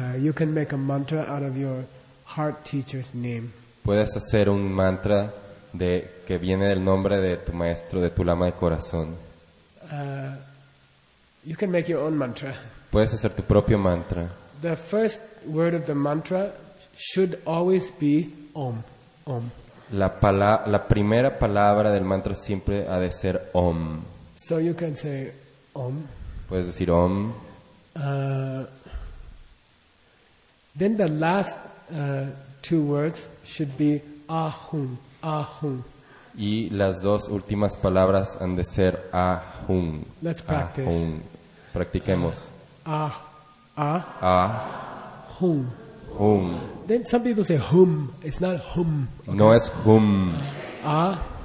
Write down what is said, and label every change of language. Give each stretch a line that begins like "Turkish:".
English: You can make a mantra out of your heart teacher's name.
Spanish: Puedes hacer un mantra de que viene del nombre de tu maestro, de tu lama de corazón.
English: You can make your own mantra.
Spanish: Puedes hacer tu propio mantra.
English: The first word of the mantra should always be Om. Om.
Spanish: La primera palabra del mantra siempre ha de ser Om.
English: So you can say Om.
Spanish: Puedes decir Om.
English: Then the last two words should be Ahum. Ahum.
Spanish: Y las dos últimas palabras han de ser Ahum.
English: Let's practice. Ahum.
Spanish: Practiquemos. Ahum. Hum.
English: Then some people say hum. It's not hum.
Spanish: Okay. No es hum. Ah.